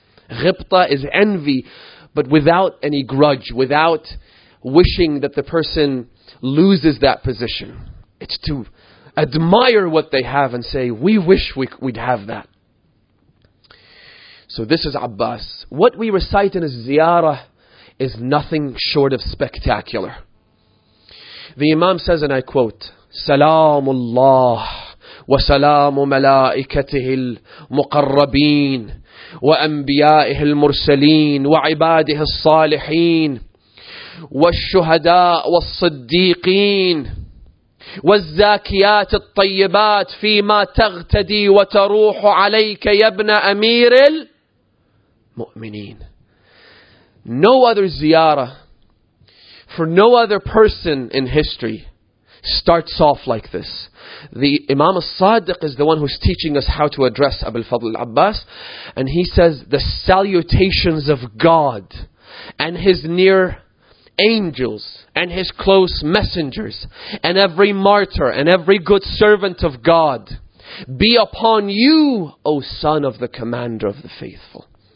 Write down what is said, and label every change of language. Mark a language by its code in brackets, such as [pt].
[en] Ghibta is envy, but without any grudge, without wishing that the person loses that position. It's to admire what they have and say, we wish we'd have that. So this is Abbas. What we recite in his ziyarah is nothing short of spectacular. The Imam says, and I quote, [ar] سلام الله وسلام ملائكته المقربين وأنبيائه المرسلين وعباده الصالحين والشهداء والصديقين والزاكيات الطيبات فيما تغتدي وتروح عليك يا ابن أمير المؤمنين. [en] No other ziyarah, for no other person in history, starts off like this. The Imam al-Sadiq is the one who's teaching us how to address Abu al-Fadl al-Abbas. And he says, the salutations of God and His near angels and His close messengers and every martyr and every good servant of God be upon you, O son of the commander of the faithful.